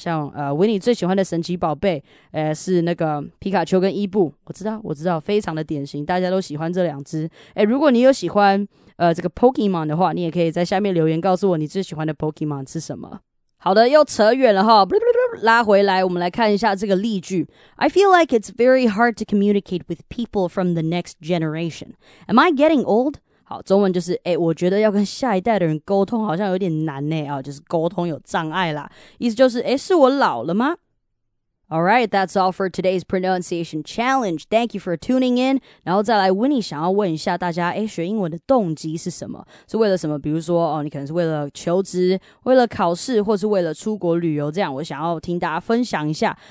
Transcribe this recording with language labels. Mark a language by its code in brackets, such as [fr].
[zh] 像维尼最喜欢的神奇宝贝是那个皮卡丘跟伊布。我知道非常的典型大家都喜欢这两只。如果你有喜欢这个 Pokemon 的话你也可以在下面留言告诉我你最喜欢的 Pokemon 是什么。好的又扯远了哈。拉回来我们来看一下这个例句。 [en] I feel like it's very hard to communicate with people from the next generation. Am I getting old? [zh] 好中文就是我觉得要跟下一代的人沟通好像有点难呢啊就是沟通有障碍啦。意思就是是我老了吗 [en] ?Alright, that's all for today's pronunciation challenge. Thank you for tuning in. [zh] 然后再来 ,Winnie 想要问一下大家学英文的动机是什么是为了什么比如说你可能是为了求职为了考试或是为了出国旅游这样我想要听大家分享一下。